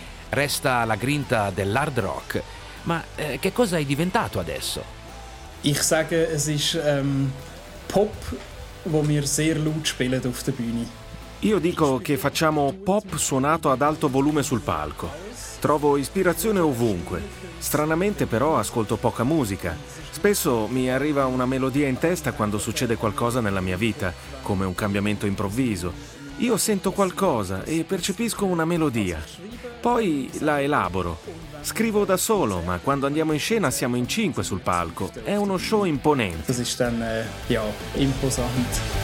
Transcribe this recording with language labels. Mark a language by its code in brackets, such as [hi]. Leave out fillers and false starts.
[it] Resta la grinta dell'hard rock, ma che cosa è diventato adesso? [de] Ich sage, es ist Pop, wo wir sehr laut spielen auf der Bühne. [it] Io dico che facciamo pop suonato ad alto volume sul palco. Trovo ispirazione ovunque. Stranamente però ascolto poca musica. Spesso mi arriva una melodia in testa quando succede qualcosa nella mia vita, come un cambiamento improvviso. Io sento qualcosa e percepisco una melodia. Poi la elaboro. Scrivo da solo, ma quando andiamo in scena siamo in 5 sul palco. È uno show imponente. [de] Das ist dann, ja, imposant.